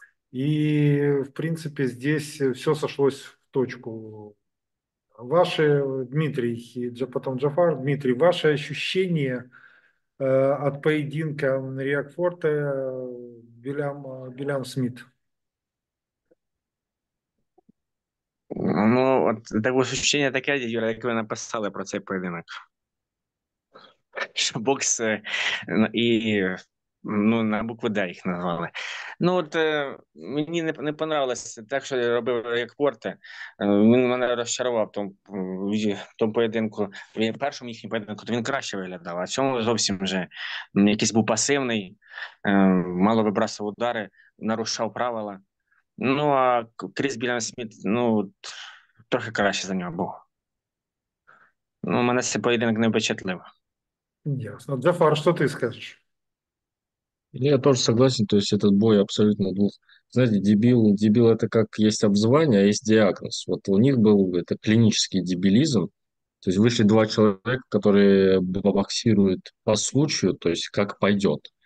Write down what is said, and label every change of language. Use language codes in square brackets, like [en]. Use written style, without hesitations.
[ru] И, в принципе, здесь все сошлось в точку. Дмитрий, ваши ощущения от поединка Риак Форта Вильям Смит? [uk] Ну, от такого ощущення таке, Юра, як ви написали про цей поєдинок. Що бокс і ну, на букву Д їх назвали. Ну, от мені не понравилося те, що я робив як Порте. Він мене розчарував в тому поєдинку. В першому їхньому поєдинку, то він краще виглядав, а в цьому зовсім вже якийсь був пасивний, мало вибрасував удари, нарушав правила. Ну, а Кріс Вільям Сміт, ну, трохи краще за нього був. Ну, мене цей поєдинок не впечатлив. [ru] Ясно. Джафар, что ты скажешь? Я тоже согласен, то есть этот бой абсолютно двух. Знаете, дебил, дебил это как есть обзвание, а есть диагноз. Вот у них был это клинический дебилизм. То есть вышли два человека, которые боксируют по случаю, то есть как пойдет.